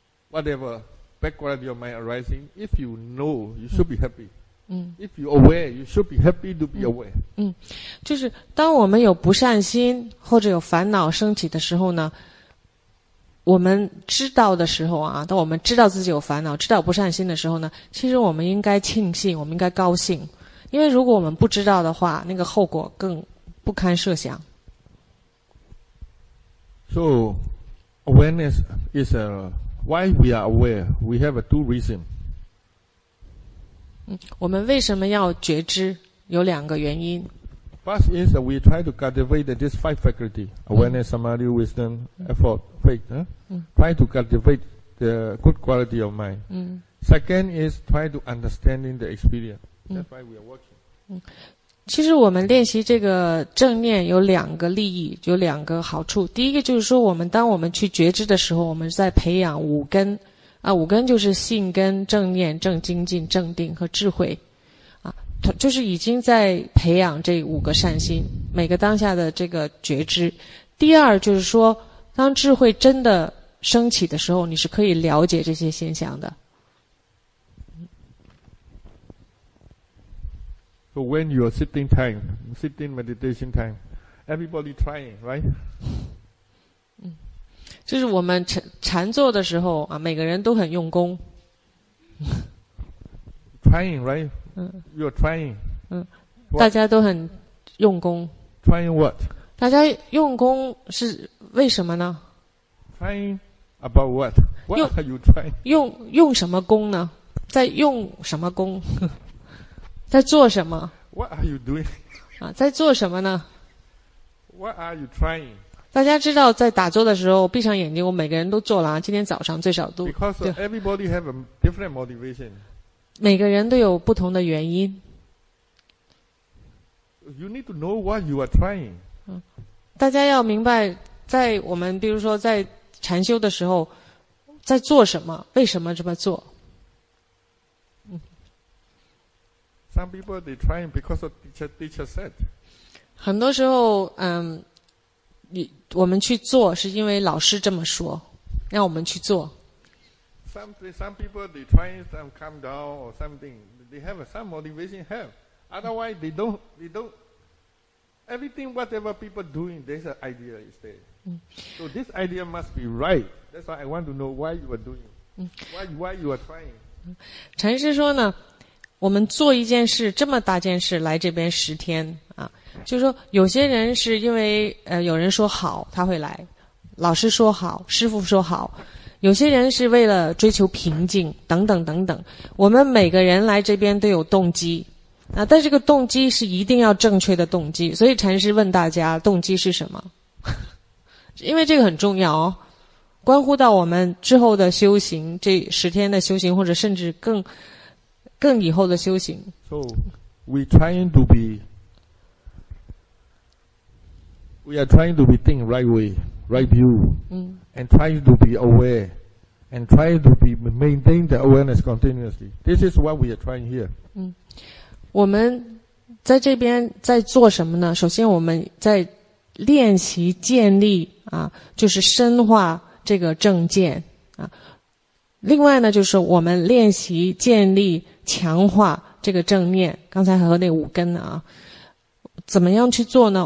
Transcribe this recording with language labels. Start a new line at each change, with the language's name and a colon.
English: Whatever bad quality of mind arising, if you know, you should be happy. If you aware, you should be happy to be aware.
Chinese: 就是当我们有不善心或者有烦恼升起的时候呢，我们知道的时候啊，当我们知道自己有烦恼，知道不善心的时候呢，其实我们应该庆幸，我们应该高兴，因为如果我们不知道的话，那个后果更不堪设想。
English: So awareness is a why we are aware. We have two reasons.
Chinese: 我们为什么要觉知？有两个原因。
English: First is that we try to cultivate these five faculty: awareness, samadhi, wisdom, effort, faith. Try to cultivate the good quality of mind. Second is try to understanding the experience. That's why we are working.
Chinese: 其实我们练习这个正念有两个利益，有两个好处。第一个就是说，我们当我们去觉知的时候，我们在培养五根。啊，五根就是性根、正念、正精进、正定和智慧，啊，就是已经在培养这五个善心，每个当下的这个觉知。第二就是说，当智慧真的升起的时候，你是可以了解这些现象的。
English: So when you are sitting time, sitting meditation time, everybody trying, right?
Chinese: 就是我们禅坐的时候啊，每个人都很用功。
English: Trying, right? You're trying.
Chinese: 大家都很用功。
English: Trying what?
Chinese: 大家用功是为什么呢
English: ？Trying about what? What are you trying?
Chinese: 用什么功呢？在用什么功？在做什么
English: ？What are you doing?
Chinese: 啊，在做什么呢
English: ？What are you trying?
Chinese: 大家知道在打坐的时候闭上眼睛，我每个人都做了，今天早上最少都
English: Because everybody have a different motivation.
Chinese: 每个人都有不同的原因。
English: You need to know what you are trying.
Chinese: 大家要明白在我们比如说在禅修的时候在做什么，为什么这么做。
English: Some people they trying because of teacher said.
Chinese: 很多时候我们去做是因为老师这么说，让我们去做。
English: Some people they try some come down or something, they have some motivation help. Otherwise, they don't. Everything whatever people doing, there's an idea is there. So this idea must be right. That's why I want to know why you are doing, why you are trying.
Chinese: 禅师说呢，我们做一件事，这么大件事，来这边十天。就是说有些人是因为有人说好他会来，老师说好，师父说好，有些人是为了追求平静等等等等，我们每个人来这边都有动机啊，但这个动机是一定要正确的动机，所以禅师问大家动机是什么。因为这个很重要哦，关乎到我们之后的修行，这十天的修行或者甚至更以后的修行。
English: So we trying to beWe are trying to be think right way, right view, and trying to be aware, and trying to be maintain the awareness continuously. This is what we are trying here.
Chinese: 我们在这边在做什么呢？首先，我们在练习建立啊，就是深化这个正见啊。另外呢，就是我们练习建立强化这个正念，刚才和那五根啊，怎么样去做呢？